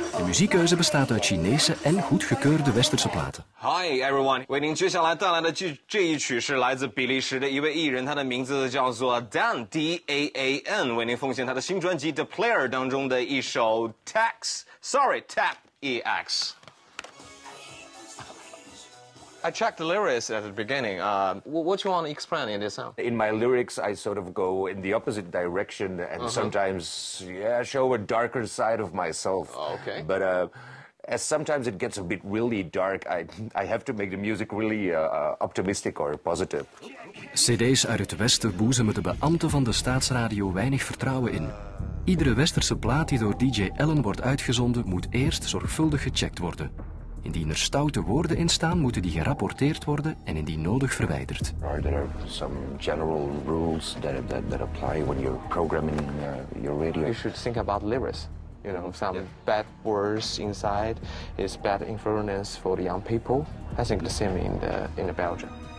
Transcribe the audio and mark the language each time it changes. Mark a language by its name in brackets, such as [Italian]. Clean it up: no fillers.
[Dutch] muziekkeuze bestaat uit Chinese en goedgekeurde westerse platen. [English] Hi everyone. [Chinese] 为您接下来带来的这一曲是来自比利时的一位艺人，他的名字叫做 Dan D A A N. 为您奉献他的新专辑 The Player 当中的一首 Tax. [English] Sorry, Tap E X. I checked the lyrics at the beginning. What you want to explain in this song? In my lyrics, I sort of go in the opposite direction and sometimes, show a darker side of myself. Okay. But as sometimes it gets a bit really dark, I have to make the music really optimistic or positive. [Dutch] CD's uit het Westen boezemen de beambten van de staatsradio weinig vertrouwen in. Iedere westerse plaat die door DJ Allen wordt uitgezonden, moet eerst zorgvuldig gecheckt worden. Indien er stoute woorden in staan, moeten die gerapporteerd worden en indien nodig verwijderd. [English] Are there some general rules that apply when you're programming your radio? You should think about lyrics. You know, some bad words inside is bad influence for the young people. I think the same in the Belgium.